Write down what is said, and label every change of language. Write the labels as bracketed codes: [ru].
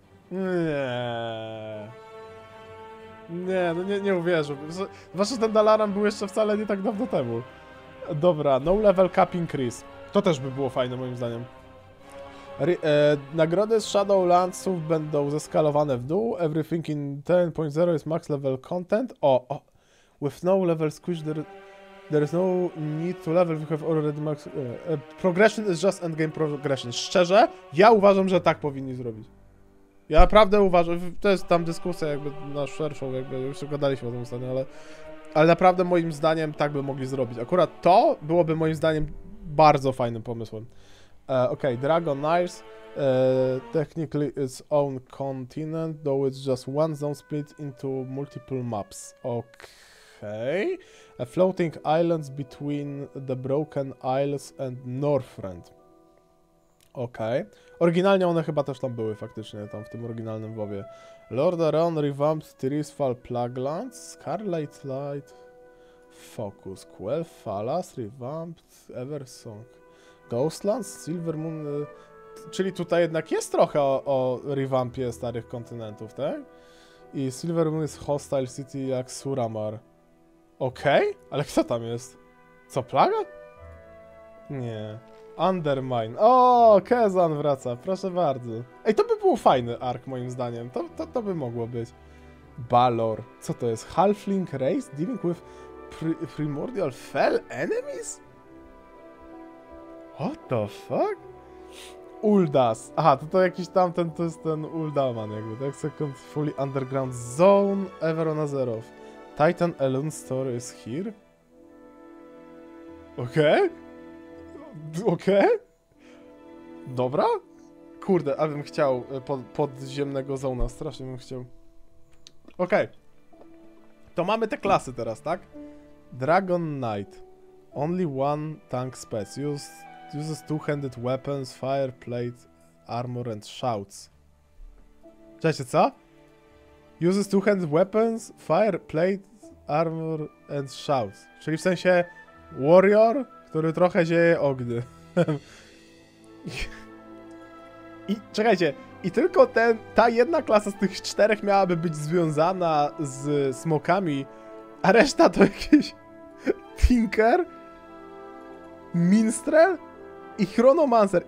[pl] Nie. Nie, no nie uwierzę. Zwłaszcza, że ten Dalaran był jeszcze wcale nie tak dawno temu. Dobra, no [en] level cap increase. [pl] To też by było fajne moim zdaniem. Nagrody z Shadowlandsów będą zeskalowane w dół. [en] Everything in 10.0 is max level content. O. With no level squish there is no need to level, we have already max... progression is just endgame progression. [pl] Szczerze? Ja uważam, że tak powinni zrobić. Ja naprawdę uważam, to jest tam dyskusja jakby na szerszą, jakby już gadaliśmy o tym ostatnio, ale naprawdę moim zdaniem tak by mogli zrobić. Akurat to byłoby moim zdaniem bardzo fajnym pomysłem. [en] Okej, Dragon Knights, technically its own continent, though it's just one zone split into multiple maps. Okej. Okay. Floating islands between the Broken Isles and Northrend. Okej. Okay. [pl] Oryginalnie one chyba też tam były faktycznie, tam w tym oryginalnym WoWie. [en] Lordaeron Revamped Tirisfal Plaguelands, Scarlet Light, Focus, Quel'Thalas Revamped Eversong, Ghostlands, Silvermoon... [pl] Czyli tutaj jednak jest trochę o revampie starych kontynentów, tak? I Silvermoon jest Hostile City jak Suramar. Okej? Okay? Ale kto tam jest? Co, Plaga? Nie... Undermine. O, Kezan wraca, proszę bardzo. Ej, to by był fajny ark moim zdaniem. To by mogło być. Balor. Co to jest? [en] Halfling race dealing with primordial fell enemies? What the fuck? Uldas. [pl] Aha, to jakiś tamten, to jest ten Uldaman jakby, tak? [en] Second fully underground zone ever on Azeroth. Titan Elune Store is here. [pl] Okej. Okay. Okej? Dobra? Kurde, a bym chciał podziemnego zona, strasznie bym chciał. Okej. To mamy te klasy teraz, tak? [en] Dragon Knight. Only one tank spec. Uses two-handed weapons, fire plate, armor and shouts. [pl] Czekajcie, co? [en] Uses two-handed weapons, fire plate, armor and shouts. [pl] Czyli w sensie warrior, który trochę zieje ognie. I czekajcie, i tylko ta jedna klasa z tych czterech miałaby być związana z smokami, a reszta to jakiś tinker, minstrel i chronomancer.